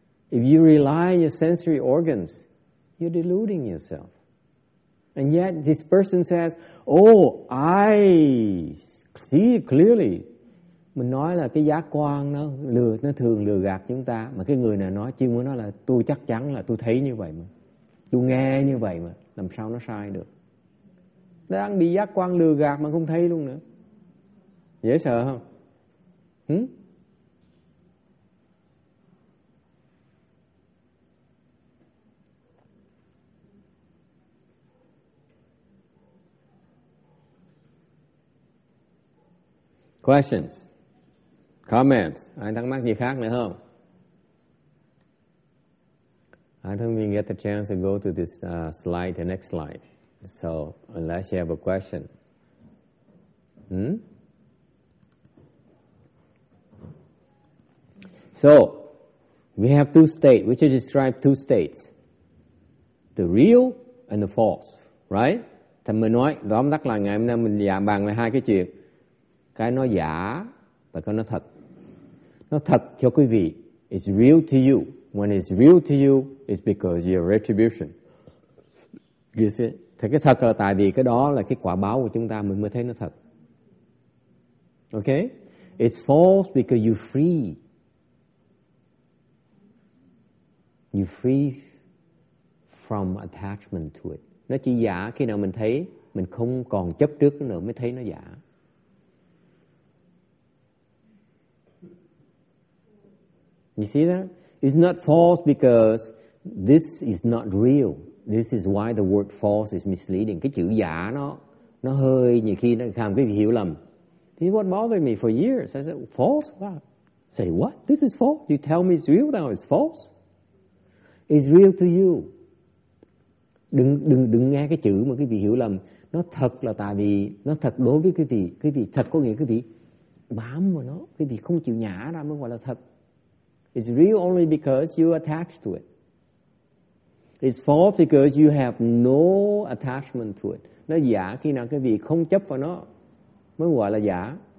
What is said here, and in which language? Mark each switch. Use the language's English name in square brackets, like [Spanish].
[English] If you rely on your sensory organs, you're deluding yourself. And yet this person says, I see it clearly. [Vietnamese] Mình nói là cái giác quan nó thường lừa gạt chúng ta. Mà cái người này nói, chuyên muốn nói là tôi chắc chắn là tôi thấy như vậy mà. Tôi nghe như vậy mà. Làm sao nó sai được? Đang bị giác quan lừa gạt mà không thấy luôn nữa. Dễ sợ không? [English] Questions, comments. [Vietnamese] Ai thắc mắc gì khác nữa không? [English] I don't even get the chance to go to this slide, the next slide. So unless you have a question, So we have two states. We should describe two states: the real and the false, right? [Vietnamese] Thầy mới nói, tóm tắt là ngày hôm nay mình dạ bàn về hai cái chuyện. Cái nó giả và cái nó thật. Nó thật cho quý vị. [English] It's real to you. When it's real to you, it's because your retribution. You see? [Vietnamese] Thì cái thật là tại vì cái đó là cái quả báo của chúng ta, mình mới thấy nó thật. Okay? [English] It's false because you're free. You're free from attachment to it. [Vietnamese] Nó chỉ giả khi nào mình thấy, mình không còn chấp trước nữa mới thấy nó giả. [English] You see that? It's not false because this is not real. This is why the word false is misleading. [Vietnamese] Cái chữ giả nó hơi nhiều khi nó làm cái hiểu lầm. [English] This is what bothered me for years. I said, false? What? Say, what? This is false? You tell me it's real now, it's false? It's real to you. [Vietnamese] Đừng nghe cái chữ mà cái vị hiểu lầm. Nó thật là tại vì nó thật đối với cái vị. Cái vị thật có nghĩa cái vị bám vào nó. Cái vị không chịu nhả ra mới gọi là thật. [English] It's real only because you're attached to it. It's false because you have no attachment to it. [Vietnamese] Nó giả khi nào cái vị không chấp vào nó mới gọi là giả.